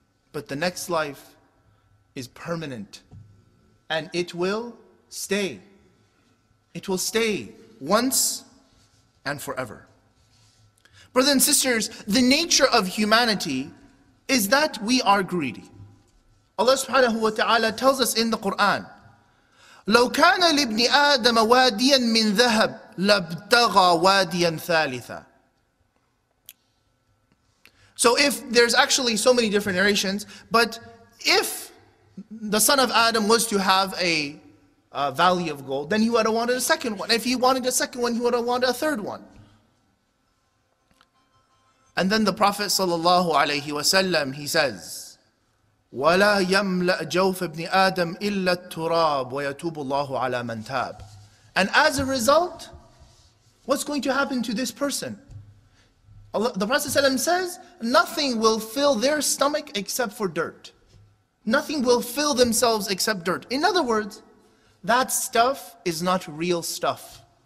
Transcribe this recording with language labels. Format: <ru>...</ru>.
<en>But the next life is permanent and it will stay. It will stay once and forever. Brothers and sisters, the nature of humanity is that we are greedy. Allah subhanahu wa ta'ala tells us in the Quran,</en> <ar>لَوْ كَانَ لِبْنِ آدَمَ وَادِيًا مِنْ ذَهَبْ لَبْتَغَى وَادِيًا ثَالِثًا.</ar> <en>So if there's actually so many different narrations, but if the son of Adam was to have a valley of gold, then he would have wanted a second one. If he wanted a second one, he would have wanted a third one. And then the Prophet sallallahu alayhi wa sallam, he says,</en> <ar>وَلَا يَمْلَأْ جَوْفَ ابْنِ آدَمْ إِلَّا التُّرَابُ وَيَتُوبُ اللَّهُ عَلَى مَنْ تَابُ.</ar> <en>And as a result, what's going to happen to this person? The Prophet sallallahu says, nothing will fill their stomach except for dirt. Nothing will fill themselves except dirt. In other words, that stuff is not real stuff.</en>